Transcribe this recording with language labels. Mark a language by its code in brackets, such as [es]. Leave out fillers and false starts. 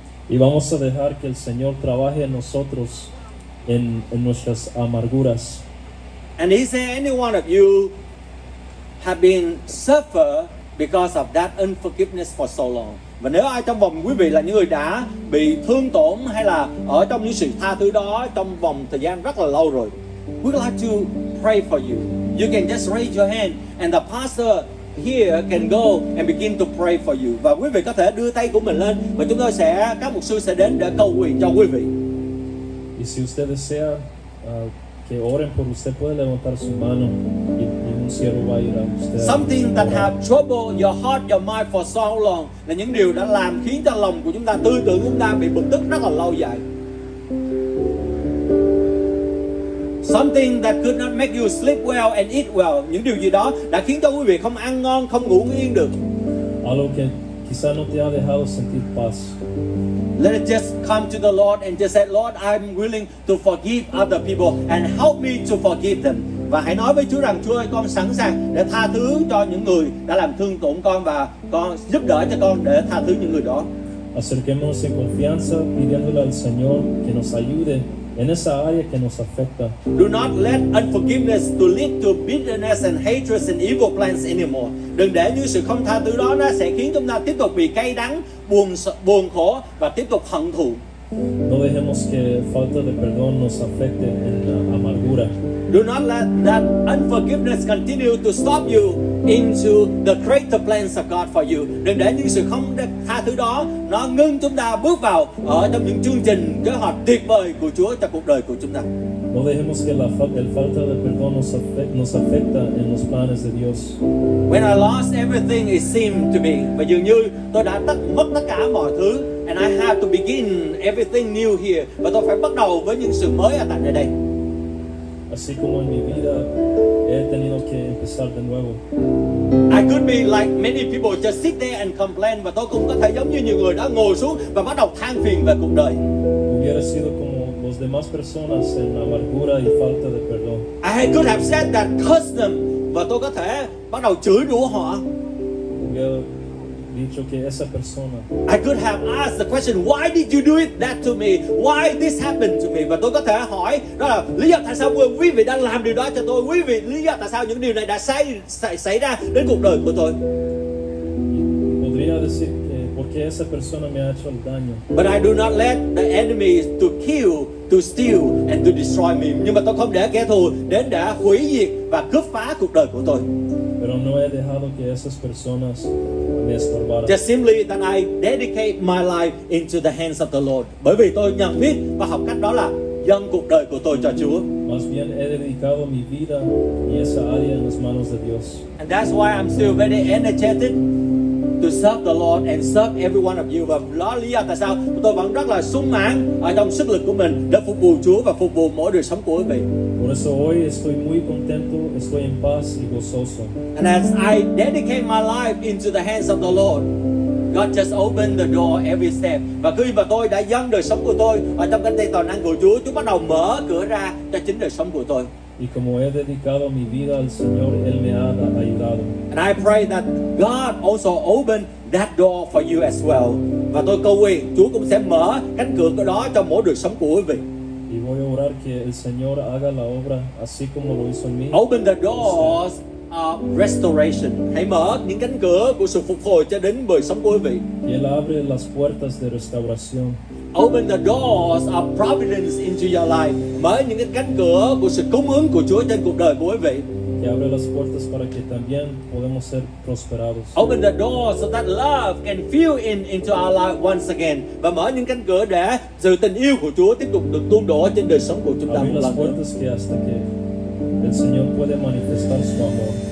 [es] Y vamos a dejar que el Señor trabaje en nosotros en nuestras amarguras. [en] And is there any one of you have been suffer because of that unforgiveness for so long? [vi] Và nếu ai trong vòng quý vị là những người đã bị thương tổn hay là ở trong những sự tha thứ đó trong vòng thời gian rất là lâu rồi, [en] we'd like to pray for you. You can just raise your hand and the pastor here can go and begin to pray for you. [vi] Và quý vị có thể đưa tay của mình lên và chúng tôi sẽ, các mục sư sẽ đến để cầu nguyện cho quý vị. [es] Y si usted desea que oren por usted. Puede levantar su mano y un siervo va a ir a usted. [en] Something that have troubled your heart, your mind for so long, [vi] là những điều đã làm khiến cho lòng của chúng ta, tư tưởng chúng ta bị bực tức rất là lâu dài. [en] Something that could not make you sleep well and eat well, [vi] những điều gì đó đã khiến cho quý vị không ăn ngon, không ngủ yên được. [es] Algo que quizá no te ha dejado sentir paz. [en] Let it just come to the Lord and just say, Lord, I'm willing to forgive other people and help me to forgive them. [vi] Và hãy nói với Chúa rằng, Chúa ơi, con sẵn sàng để tha thứ cho những người đã làm thương tổn con và con giúp đỡ cho con để tha thứ những người đó. [es] Acerquémonos en confianza pidiéndole al Señor que nos ayude en esa área que nos afecta. [en] Do not let unforgiveness to lead to bitterness and hatred and evil plans anymore. [vi] Đừng để như sự không tha thứ đó nó sẽ khiến chúng ta tiếp tục bị cay đắng, buồn khổ và tiếp tục hận thù. [es] No dejemos que falta de perdón nos afecte en la amargura. [en] Do not let that unforgiveness continue to stop you into the greater plans of God for you. [vi] Đừng để những sự không tha thứ đó nó ngưng chúng ta bước vào ở trong những chương trình kế hoạch tuyệt vời của Chúa cho cuộc đời của chúng ta. [es] No dejemos que el falta de perdón nos afecta en los planes de Dios. [en] When I lost everything, it seemed to be, [vi] và dường như tôi đã mất tất cả mọi thứ. [en] And I have to begin everything new here. [vi] Và tôi phải bắt đầu với những sự mới ở tại đây. [es] Así como en mi vida he tenido que empezar de nuevo. [en] I could be like many people, just sit there and complain. [vi] Và tôi cũng có thể giống như nhiều người đã ngồi xuống và bắt đầu than phiền về cuộc đời. [es] Hubiera sido como los demás personas en amargura y falta de perdón. [en] I could have said that, cursed them. [vi] Và tôi có thể bắt đầu chửi rủa họ. [en] I could have asked the question, why did you do it that to me? Why this happened to me? [vi] Và tôi có thể hỏi đó là lý do tại sao quý vị đang làm điều đó cho tôi. Quý vị lý do tại sao những điều này đã xảy ra đến cuộc đời của tôi. [es] Podría decir que porque esa persona me ha hecho el daño. [en] But I do not let the enemy to kill, to steal and to destroy me. [vi] Nhưng mà tôi không để kẻ thù đến đã hủy diệt và cướp phá cuộc đời của tôi. [es] Pero no he dejado que esas personas me estorbaran. [en] Just simply that I dedicate my life into the hands of the Lord. [vi] Bởi vì tôi nhận biết và học cách đó là dâng cuộc đời của tôi cho Chúa. [es] Más bien he dedicado mi vida y esa área en las manos de Dios. [en] And that's why I'm still very energetic to serve the Lord and serve every one of you. [vi] Và đó là lý do tại sao tôi vẫn rất là sung mãn ở trong sức lực của mình để phục vụ Chúa và phục vụ mỗi đời sống của quý vị. [es] Por eso hoy estoy muy contento, estoy en paz y gozoso. [en] And as I dedicate my life into the hands of the Lord, God just opened the door every step. [vi] Và khi mà tôi đã dâng đời sống của tôi ở trong cánh tay toàn năng của Chúa, Chúa bắt đầu mở cửa ra cho chính đời sống của tôi. [es] Y como he dedicado mi vida al Señor, Él me ha ayudado. [en] And I pray that God also open that door for you as well. [vi] Và tôi cầu nguyện Chúa cũng sẽ mở cánh cửa đó cho mỗi đời sống của quý vị. [es] Y voy a orar que el Señor haga la obra así como lo hizo en mí. [en] Open the doors of restoration. [vi] Hãy mở những cánh cửa của sự phục hồi cho đến đời sống của quý vị. [es] Y Él abre las puertas de restauración. [en] Open the doors of providence into your life. [vi] Mở những cánh cửa của sự cung ứng của Chúa trên cuộc đời của quý vị. [es] Que abre las puertas para que también podemos ser prosperados. [en] Open the doors so that love can fill in into our life once again. [vi] Và mở những cánh cửa để sự tình yêu của Chúa tiếp tục được tuôn đổ trên đời sống của chúng ta. [es] Abre las puertas que hasta que el Señor puede manifestar su amor.